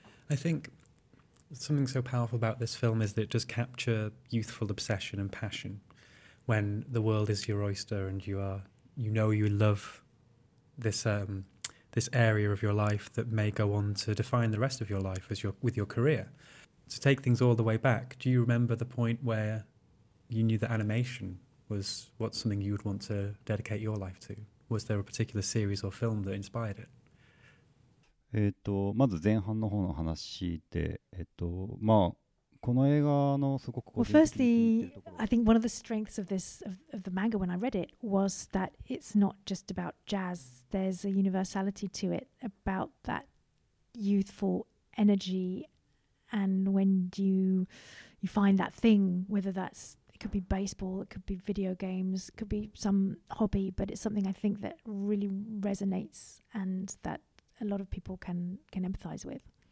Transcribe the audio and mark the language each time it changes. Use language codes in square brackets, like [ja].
[en] I think something so powerful about this film is that it does capture youthful obsession and passion when the world is your oyster and you know you love this, this area of your life that may go on to define the rest of your life with your career. To take things all the way back, do you remember the point where you knew that animation was what something you'd want to dedicate your life to? Was there a particular series or film that inspired it? [ja] まず前半の方の話で、まあこの映画のすごく [en] Well, firstly, I think one of the strengths of this of the manga when I read it was that it's not just about jazz. There's a universality to it about that youthful energy, and when you find that thing, whether that's it could be baseball, it could be video games, it could be some hobby, but it's something I think that really resonates and that a lot of people can empathize with.